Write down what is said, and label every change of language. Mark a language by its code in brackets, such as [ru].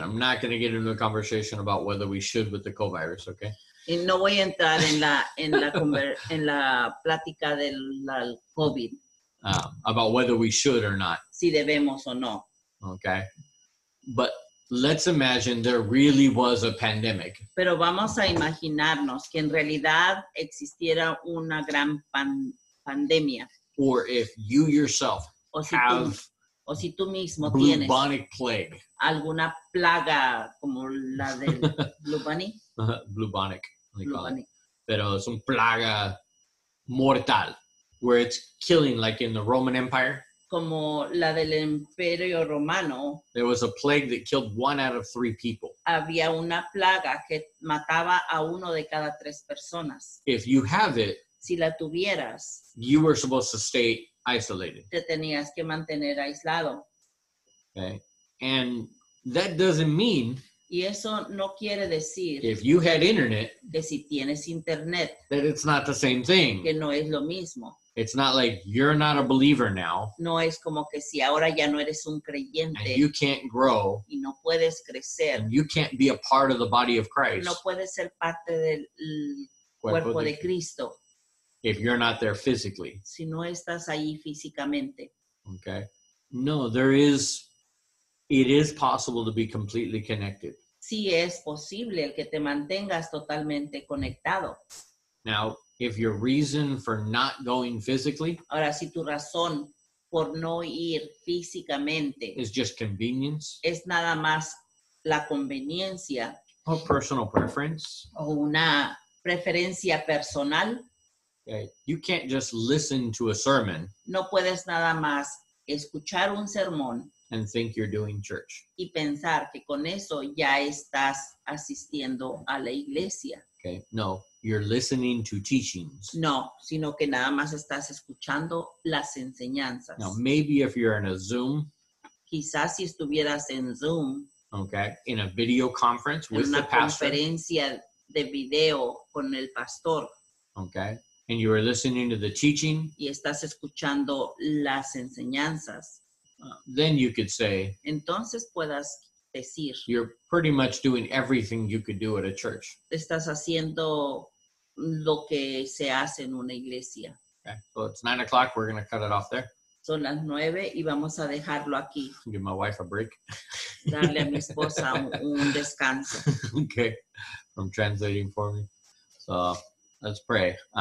[en] I'm not going to get into a conversation about whether we should with the COVID-19, okay? [es] Y no voy a entrar en la plática del COVID. [en] About whether we should or not. [es] Si debemos o no. [en] Okay. But let's imagine there really was a pandemic. [es] Pero vamos a imaginarnos que en realidad existiera una gran pandemia. [en] Or if you yourself [es] tú mismo [en] bubonic [es] tienes [en] plague. [es] Alguna plaga como la del bubonic. Bubonic. Pero es una plaga mortal. [en] Where it's killing like in the Roman Empire. [es] Como la del Imperio Romano. [en] There was a plague that killed one out of three people. [es] Había una plaga que mataba a uno de cada tres personas. [en] If you have it. [es] Si la tuvieras. [en] You were supposed to stay isolated. [es] Te tenías que mantener aislado. [en] Okay. And That doesn't mean. [es] Y eso no quiere decir. [en] If you had internet. [es] Que si tienes internet. [en] That it's not the same thing. [es] Que no es lo mismo. [en] It's not like you're not a believer now. [es] No es como que si ahora ya no eres un creyente. [en] And you can't grow. [es] Y no puedes crecer. [en] And you can't be a part of the body of Christ. [es] No puedes ser parte del cuerpo de Cristo. [en] If you're not there physically. [es] Si no estás ahí físicamente. [en] Okay. No, there is. It is possible to be completely connected. [es] Sí, es posible el que te mantengas totalmente conectado. [en] Now, if your reason for not going physically. [es] Ahora, si tu razón por no ir físicamente. [en] Is just convenience. [es] Es nada más la conveniencia. [en] Or personal preference. [es] O una preferencia personal. [en] Okay. You can't just listen to a sermon. [es] No puedes nada más escuchar un sermón. [en] And think you're doing church. [es] Y pensar que con eso ya estás asistiendo a la iglesia. [en] Okay, no, you're listening to teachings. [es] No, sino que nada más estás escuchando las enseñanzas. [en] Now, maybe if you're in a Zoom. [es] Quizás si estuvieras en Zoom. [en] Okay, in a video conference with the pastor. [es] En una conferencia de video con el pastor. [en] Okay, and you are listening to the teaching. [es] Y estás escuchando las enseñanzas. [en] Then you could say. [es] Entonces puedas decir. [en] You're pretty much doing everything you could do at a church. [es] Estás haciendo lo que se hace en una iglesia. [en] Okay, so it's 9 o'clock. We're going to cut it off there. [es] Son las 9 y vamos a dejarlo aquí. [en] Give my wife a break. [es] Darle a mi esposa un descanso. [en] Okay, from translating for me. So let's pray.